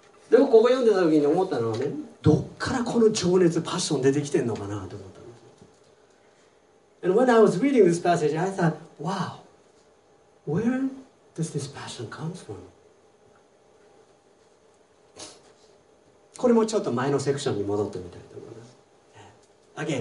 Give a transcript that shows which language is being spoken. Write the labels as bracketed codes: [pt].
[ja] でもここ読んでた時に思ったのはね、どっからこの情熱、パッション出てきてんのかなと思ったの。 [en] And when I was reading this passage, I thought, wow, where... Does this passion come from? [ja] これもちょっと前のセクションに戻ってみたいと思います。